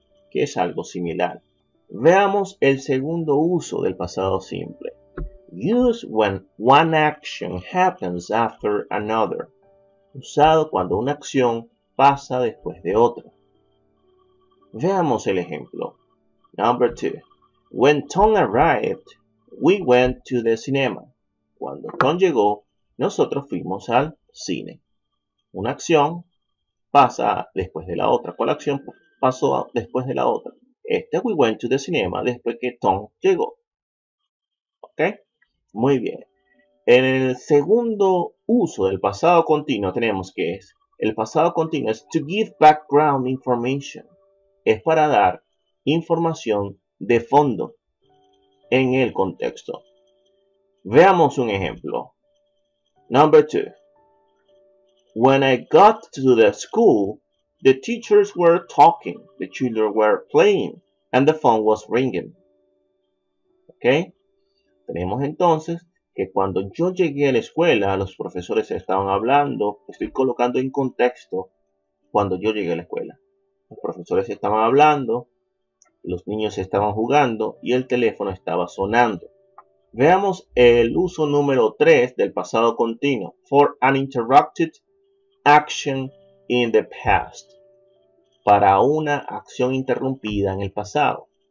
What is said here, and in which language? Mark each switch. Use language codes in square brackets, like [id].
[es] Que es algo similar. Veamos el segundo uso del pasado simple. [en] Use when one action happens after another. [es] Usado cuando una acción pasa después de otra. Veamos el ejemplo. [en] Number 2. When Tom arrived, we went to the cinema. [es] Cuando Tom llegó, nosotros fuimos al cine. Una acción pasa después de la otra. ¿Cuál acción pasó después de la otra? Este, [en] we went to the cinema [es] después que Tom llegó. ¿Ok? Muy bien. En el segundo uso del pasado continuo tenemos que es, el pasado continuo es [en] to give background information. [es] Es para dar información de fondo en el contexto. Veamos un ejemplo. [en] Number 2. When I got to the school, the teachers were talking, the children were playing, and the phone was ringing. ¿Ok? [es] Tenemos entonces que cuando yo llegué a la escuela, los profesores estaban hablando, estoy colocando en contexto cuando yo llegué a la escuela. Los profesores estaban hablando, los niños estaban jugando y el teléfono estaba sonando. Veamos el uso número 3 del pasado continuo, [en] for uninterrupted action in the past, [es] para una acción interrumpida en el pasado.